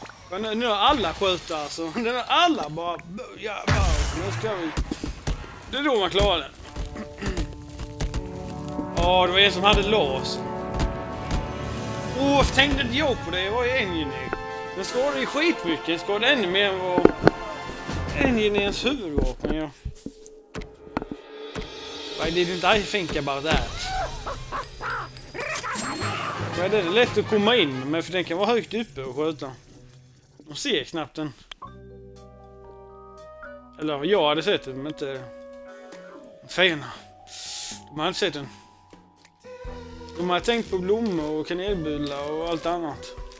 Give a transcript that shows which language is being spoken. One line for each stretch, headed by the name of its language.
Swedish: Men nu har alla skjutit alltså. Nu har alla bara... Jävlar, nu ska vi... Det är då man klarar det. Åh, det var en som hade lås. Åh, tänkte inte jag på det, jag var ju Engineer. Den skadade ju skitmycket, den skadade ännu mer än vad Engineers huvudvapen, ja.
English: Why didn't I think about that?
Swedish: Men det är lätt att komma in, men för den kan vara högt uppe och skjuta. De ser knappt den. Eller jag hade sett den, men inte... Fena. De hade sett den. De hade tänkt på blommor och kanelbullar och allt annat.